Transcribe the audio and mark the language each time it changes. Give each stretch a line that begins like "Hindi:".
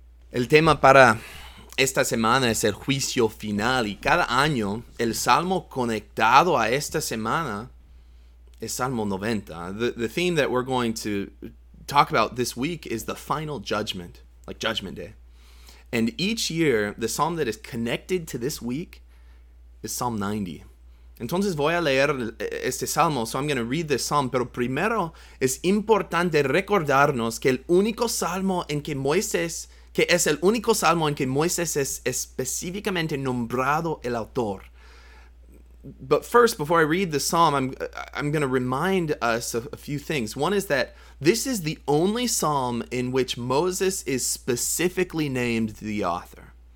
Spanish: El tema para esta semana es el juicio final, y cada año el salmo conectado a esta semana es Salmo 90.
English: The theme that we're going to talk about this week is the final judgment, like Judgment Day. And each year, the psalm that is connected to this week is Psalm 90.
Spanish: Entonces voy a leer este salmo,
English: so I'm going to read this psalm.
Spanish: Pero primero, es importante recordarnos que el único salmo en que Moisés, que es el único salmo en que Moisés es específicamente nombrado el autor.
English: But first, before I read the psalm, I'm going to remind us of a few things. One is that this is the only psalm in which Moses is specifically named the author.